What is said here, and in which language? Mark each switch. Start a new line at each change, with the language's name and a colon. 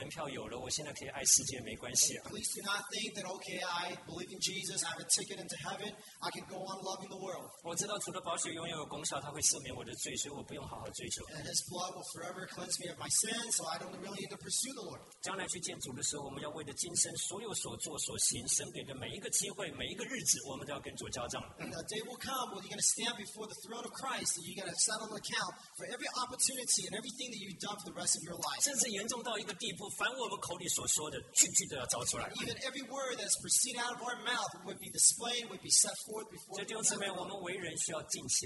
Chinese: 所以你千万不要以为说我已经信了耶稣了，天国的门票有了，我现在可以爱世界，没关系。
English: Please do not think that, okay, I believe in Jesus, I have a ticket into heaven, I can go on loving the world.
Chinese: 我知道主的宝血永远有功效，他会赦免我的罪，所以我不用好好追求。
English: And His blood will forever cleanse me of my sins, so I don't really need to pursue the Lord.
Chinese: 将来去见主的时候，我们要为着今生所有所作所行神给的每一个机会，每一个日子。
English: And the day will come when you're going to stand before the throne of Christ and you're going to settle an account for every opportunity and everything that you've done for the rest of your life.
Chinese: 甚至严重到一个地步，凡我们口里所说的，句句都要招出来。Even
English: every word that's proceeded out of our mouth would be displayed, would be set forth before the throne of Christ.